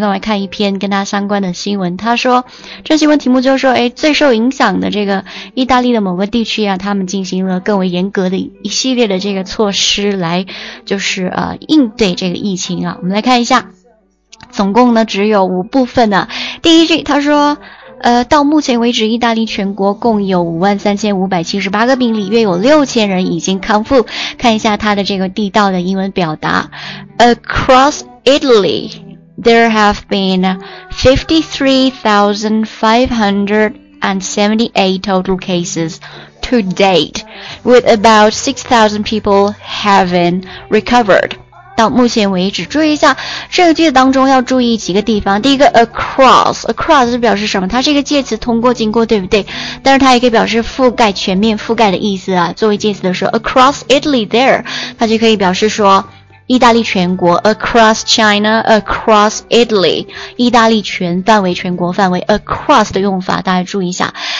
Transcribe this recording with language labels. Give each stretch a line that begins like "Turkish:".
Chinese: 那我来看一篇跟他相关的新闻。他说这新闻题目就是说，最受影响的这个意大利的某个地区啊，他们进行了更为严格的一系列的这个措施来就是应对这个疫情啊。我们来看一下。总共呢只有五部分呢、啊。第一句他说到目前为止意大利全国共有53578个病例，约有6000人已经康复。看一下他的这个地道的英文表达。
English: Across Italy, there have been 53,578 total cases to date, with about 6,000 people having recovered.
Chinese: 到目前为止，注意一下这个句子当中要注意几个地方。第一个 across 是表示什么？它是一个介词，通过经过，对不对？但是它也可以表示覆盖，全面覆盖的意思啊。作为介词的时候
English: across Italy there,
Chinese: 它就可以表示说意大利全国 across China, across Italy, 意大利全范围全国范围 across 的用法大家注意一下。